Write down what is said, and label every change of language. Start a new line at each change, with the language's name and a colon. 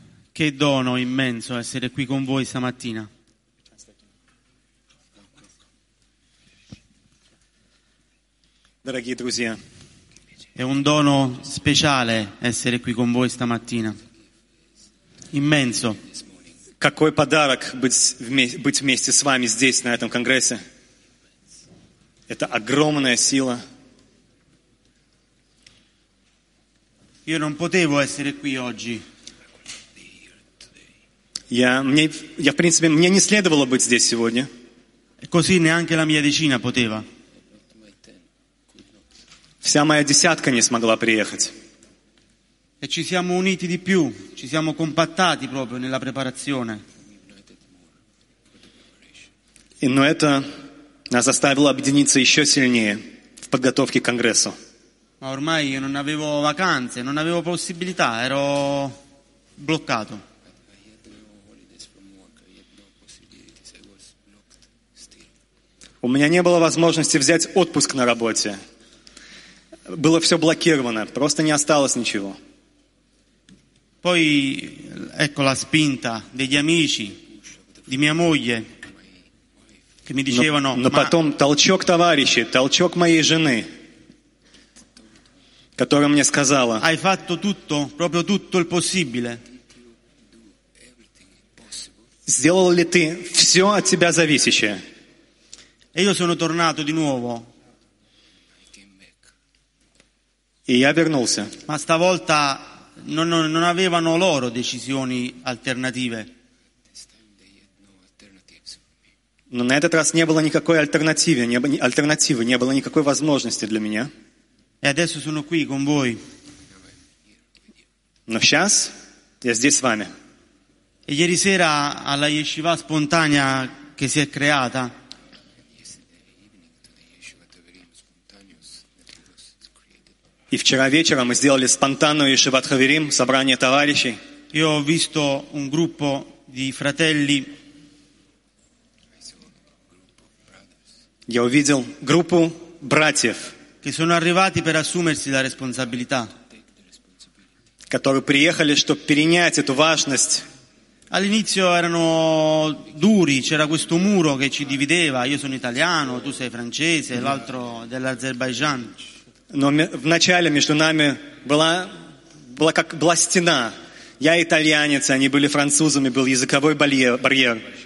Italian: Che dono immenso essere qui con voi stamattina.
Russian: Дорогие друзья,
Italian: è un dono speciale essere qui con voi stamattina. Immenso.
Russian: Какой подарок быть вместе с вами здесь на этом конгрессе. Это огромная сила.
Italian: Io non potevo essere qui oggi.
Russian: Я, в принципе, мне не следовало быть здесь сегодня.
Italian: Così neanche la mia decina poteva.
Russian: Вся моя десятка не смогла приехать.
Italian: E ci siamo uniti di più, ci siamo compattati proprio nella preparazione.
Russian: Но это нас заставило объединиться еще сильнее в подготовке к конгрессу.
Italian: Ma ormai io non avevo vacanze, non avevo possibilità, ero bloccato.
Russian: У меня не было возможности взять отпуск на работе. Было все блокировано, просто не осталось ничего.
Italian: Poi, ecco la spinta degli amici, di mia moglie, che mi dicevano.
Russian: Но потом толчок товарищей, толчок моей жены, которая мне сказала.
Italian: Hai fatto tutto, proprio tutto il possibile.
Russian: Сделал ли ты все от тебя зависящее?
Italian: E io sono tornato di nuovo. E
Russian: я вернулся.
Italian: Ma stavolta non avevano loro decisioni alternative.
Russian: Но на этот раз не было никакой альтернативы, не было никакой возможности для меня.
Italian: E adesso sono qui con voi.
Russian: Но сейчас я здесь с вами.
Italian: E ieri sera alla yeshiva spontanea che si è creata.
Russian: И вчера вечером мы сделали спонтанную Yeshivat Haverim, собрание товарищей.
Italian: Io ho visto un gruppo di fratelli.
Russian: Я увидел группу братьев,
Italian: che sono arrivati per assumersi la responsabilità.
Russian: Которые приехали, чтобы перенять эту важность.
Italian: All'inizio erano duri, c'era questo muro che ci divideva. Io sono italiano, tu sei francese, l'altro dell'Azerbaigian.
Russian: Но в начале между нами была как была стена. Я итальянец, они были французами, был языковой барьер.